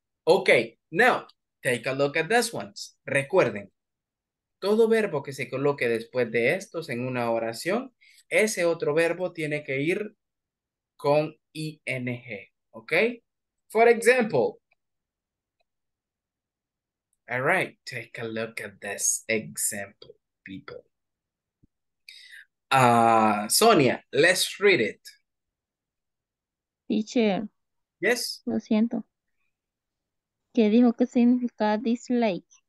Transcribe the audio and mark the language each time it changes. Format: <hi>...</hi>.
<en>Okay, now take a look at this one.</en> <es>Recuerden, todo verbo que se coloque después de estos en una oración, ese otro verbo tiene que ir con ing, okay?</es> <en>For example, all right, take a look at this example, people. Sonia, let's read it. Teacher. Yes.</en> <es>Lo siento. ¿Qué dijo que significa dislike?</es>